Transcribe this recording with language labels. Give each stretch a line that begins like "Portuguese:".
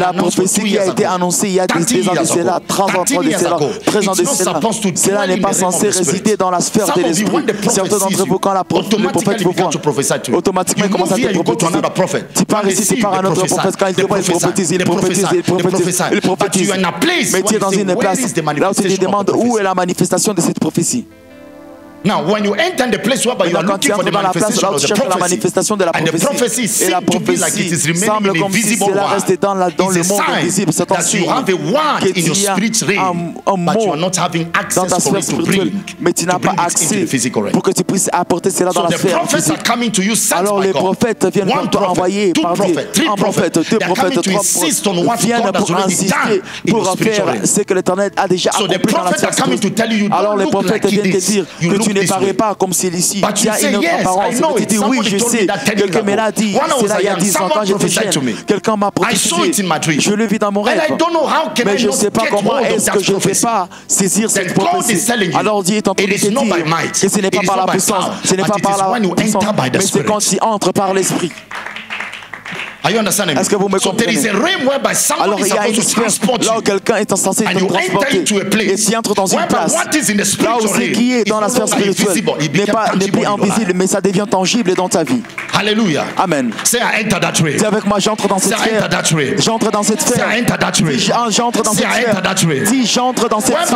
French: la prophétie qui a été annoncée il y a des ans de cela, 30 ans de cela, 13 ans de cela, cela n'est pas censé résider dans la sphère de l'esprit. Certains d'entre vous quand la prophète vous voit automatiquement commence à te prophétiser. Tu pars ici, tu pars à un autre prophète. Quand il te voit, il prophétise, il prophétise, il prophétise, il prophétise. Mais tu es dans une place là où tu te demandes où est la manifestation de cette prophétie.
English: Now, when you enter the place where you are looking for the manifestation of the prophecy,
French: la manifestation de la prophétie, et la prophétie semble comme si cela restait dans le monde invisible, c'est un signe que tu as un mot dans ta sphère spirituelle, mais tu n'as pas accès pour que tu puisses apporter cela dans la sphère physique. Alors les prophètes viennent pour te envoyer par Dieu, un prophète, deux prophètes, trois prophètes, viennent pour insister pour faire ce que l'Éternel a déjà accompli dans la sphère spirituelle. Alors les prophètes viennent te dire que tu ne parais pas comme celui-ci.
English: But
French: il y a une autre
English: yes,
French: apparence.
English: Know,
French: tu dis oui, je sais. Quelqu'un me l'a dit. C'est là il y a 10 ans quand j'étais jeune. Quelqu'un m'a prophétisé. Je le vis dans mon rêve. Mais je ne sais pas comment est-ce que je ne vais pas saisir cette prophétie. Alors Dieu est en train de te dire que ce n'est pas par la puissance. Ce n'est pas par la puissance. Mais c'est quand tu entres par l'esprit.
English: Are you understanding?
French: Est-ce que vous me comprenez?
English: So there is a realm whereby someone is supposed to transport you.
French: Là où quelqu'un est censé te transporter.
English: And you enter into a place.
French: Et tu entres dans une place.
English: What is in the spiritual realm?
French: Là où ce qui est dans la sphère spirituelle n'est pas invisible, mais ça devient tangible dans ta vie. Hallelujah. Amen.
English: Say I enter that realm.
French: Dis avec moi, j'entre dans cette sphère.
English: Say I enter that realm.
French: J'entre dans cette sphère.
English: Say I enter that realm.
French: J'entre dans cette sphère.
English: Say I enter that realm.
French: Dis j'entre dans cette sphère.